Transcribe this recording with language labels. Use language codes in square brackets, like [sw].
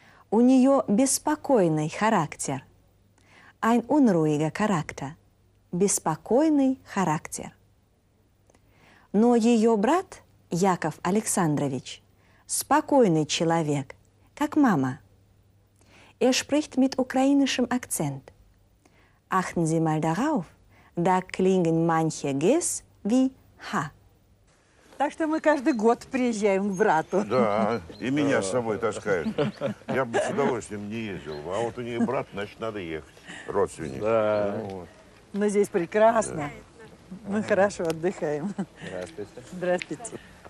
[ru] У нее беспокойный характер. [de] Ein unruhiger Charakter. [ru] Беспокойный характер. Но ее брат, Яков Александрович, спокойный человек, как мама. [de] Er spricht mit ukrainischem Akzent. Achten Sie mal darauf, da klingen manche Gs wie Ha. [ru] Так что мы каждый год приезжаем к брату. Да, и меня с собой таскают. Я бы с удовольствием не ездил. А вот у нее брат, значит, надо ехать. Родственник. Да. Но здесь прекрасно. Да. Мы хорошо отдыхаем. Здравствуйте. Здравствуйте.